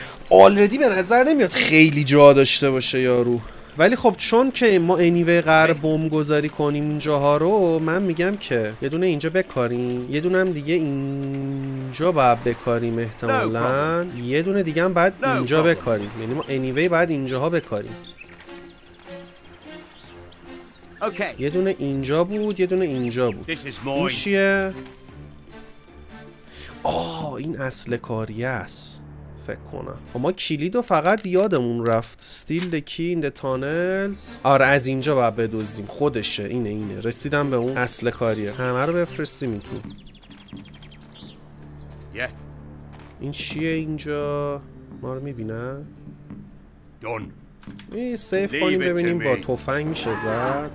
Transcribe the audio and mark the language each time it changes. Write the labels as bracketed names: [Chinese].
[Persian] آلردی به نظر نمیاد خیلی جا داشته باشه یارو، ولی خب چون که ما انیوی قرار بوم گذاری کنیم اینجاها رو، من میگم که یه دونه اینجا بکاریم، یه دونه هم دیگه اینجا باید بکاریم احتمالاً، یه دونه دیگه هم باید اینجا بکاریم. یعنی ما انیوی باید اینجاها بکاریم. یه دونه اینجا بود، یه دونه اینجا بود. این چیه؟ آه این اصل کاریه است فکر کنم. ما کلیدو فقط یادمون رفت. [English] Steal the key in the tunnels. [Persian] آره از اینجا باید بدزدیم. خودشه. اینه. رسیدم به اون اصل کاریه. همه رو بفرستیم این تو. [English] Yeah. [Persian] این چیه اینجا؟ ما رو میبینه؟ [English] Done. [Persian] ای سیف کنیم ببینیم با تفنگ میشه زد.